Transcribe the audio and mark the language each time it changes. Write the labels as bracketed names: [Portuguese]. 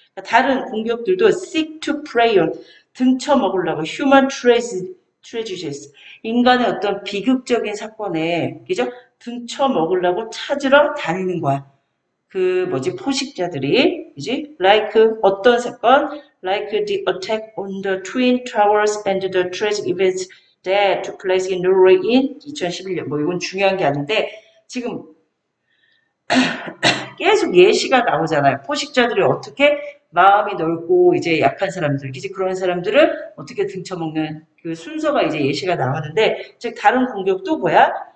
[Korean] 다른 공격들도 [English] seek to prey on. [Korean] 등쳐먹으려고, [English] human tragedy. [Korean] 인간의 어떤 비극적인 사건에, 그죠? 등쳐먹으려고 찾으러 다니는 거야. 그, 뭐지, 포식자들이, 그지? Like, 어떤 사건? [English] Like the attack on the Twin Towers and the tragic events that took place in Norway in 2011년. [Korean] 뭐, 이건 중요한 게 아닌데, 지금, 계속 예시가 나오잖아요. 포식자들이 어떻게 마음이 넓고, 이제 약한 사람들, 그지? 그런 사람들을 어떻게 등쳐먹는, 그 순서가 이제 예시가 나왔는데, 즉 다른 공격도 뭐야?